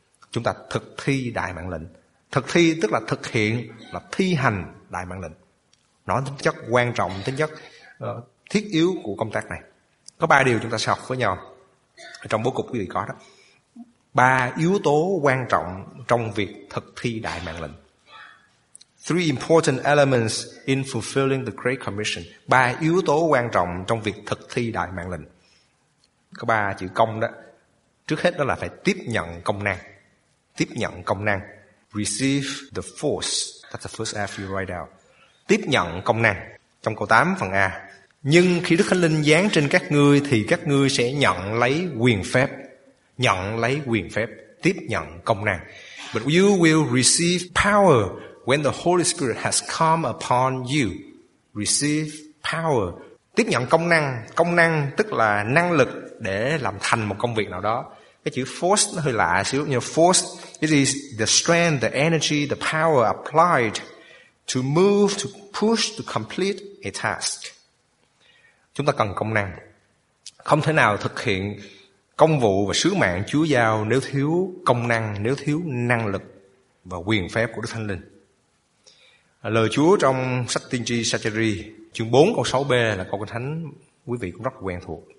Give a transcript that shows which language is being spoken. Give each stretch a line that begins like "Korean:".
Vietnamese: Chúng ta thực thi đại mạng lệnh. Thực thi tức là thực hiện, là thi hành đại mạng lệnh. Nó tính chất quan trọng, tính chất thiết yếu của công tác này. Có ba điều chúng ta sẽ học với nhau trong bố cục quý vị có đó. Ba yếu tố quan trọng trong việc thực thi đại mạng lệnh.
English: Three important elements in fulfilling the Great Commission.
Vietnamese: Ba yếu tố quan trọng trong việc thực thi đại mạng lệnh. Có ba chữ công đó. Trước hết đó là phải tiếp nhận công năng. Tiếp nhận công năng.
English: Receive the force. That's the first F you write down.
Vietnamese: Tiếp nhận công năng. Trong câu 8 phần A. Nhưng khi Đức Thánh Linh giáng trên các ngươi thì các ngươi sẽ nhận lấy quyền phép. Nhận lấy quyền phép. Tiếp nhận công năng.
English: But you will receive power when the Holy Spirit has come upon you. Receive power.
Vietnamese: Tiếp nhận công năng. Công năng tức là năng lực để làm thành một công việc nào đó. Cái chữ force nó hơi lạ xíu.
English: Như force, it is the strength, the energy, the power applied to move, to push, to complete a task.
Vietnamese: Chúng ta cần công năng. Không thể nào thực hiện công vụ và sứ mạng Chúa giao nếu thiếu công năng, nếu thiếu năng lực và quyền phép của Đức Thánh Linh. Lời Chúa trong sách Tiên tri Sacheri, chương 4 câu 6b là câu kinh thánh quý vị cũng rất quen thuộc.